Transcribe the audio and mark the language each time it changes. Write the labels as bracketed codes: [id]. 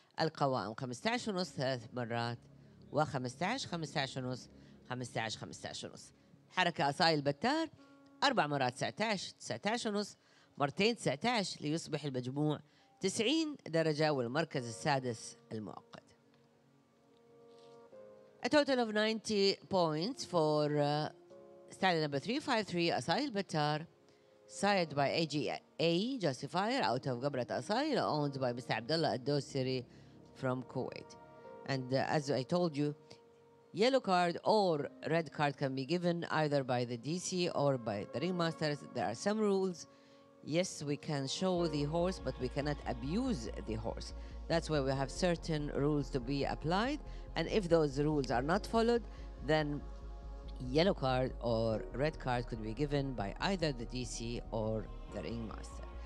[ar] القوائم 15 ونص 3 مرات و 15 15 ونص 15 15 ونص. حركة أصايل بتار 4 مرات 19 19 ونص مرتين 19 ليصبح المجموع 90 درجة والمركز السادس المؤقت. [en] A total of 90 points for stallion number 353 أصايل بتار sired by AGA Justifier out of قبرة أصايل owned by Mr. عبدالله الدوسري from Kuwait. And as I told you, yellow card or red card can be given either by the DC or by the ringmasters. There are some rules. Yes, we can show the horse, but we cannot abuse the horse. That's why we have certain rules to be applied. And if those rules are not followed, then yellow card or red card could be given by either the DC or the ringmaster.